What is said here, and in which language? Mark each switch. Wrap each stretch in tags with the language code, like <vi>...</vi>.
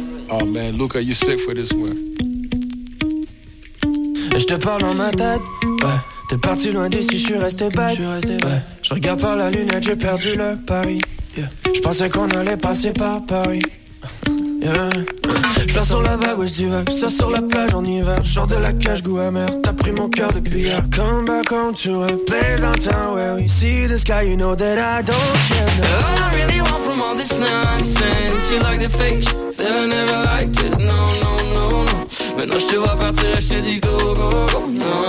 <en>Oh man, Luca, you sick for this one.</en> <fr>Je te parle dans ma tête, ouais. T'es parti loin d'ici, je suis resté bête. Je ouais. Regarde par la lunette, j'ai perdu le pari. Je pensais qu'on allait passer par Paris. Je sors sur la vague, ouais, je dis vague. Je sors sur la plage en hiver. Genre de la cage, goût amer. T'as pris mon cœur depuis hier.</fr> <en>Come back home to a pleasant town where we see the sky. You know that I don't care. All I really want from all this nonsense. You like the fake, then I never liked it. No, no, no, no.</en> <fr>Maintenant je te vois partir, je te dis</fr> <en>go, go, go, no.</en>